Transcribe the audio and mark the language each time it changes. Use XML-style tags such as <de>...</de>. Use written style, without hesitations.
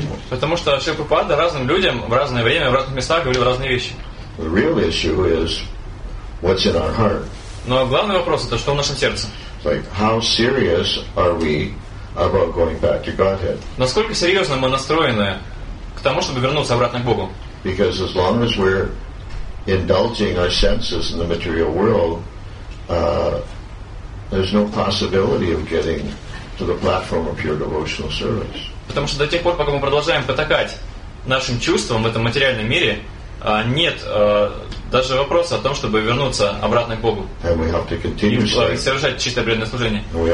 <ru>Потому что Шрила Прабхупада разным людям в разное время в разных местах говорил разные вещи.</ru> <en>The real issue is what's in our heart.</en> <ru>Но главный вопрос это что в нашем сердце.</ru> <en>Like how serious are we about going back to Godhead?</en> <ru>Насколько серьезно мы настроены к тому, чтобы вернуться обратно к Богу?</ru> <en>Because as long as we're indulging our senses in the material world, there's no possibility of getting to the platform of pure devotional service.</en> <ru>Потому что до тех пор, пока мы продолжаем потакать нашим чувствам в этом материальном мире, нет даже вопроса о том, чтобы вернуться обратно к Богу и совершать чистое преданное служение.</ru>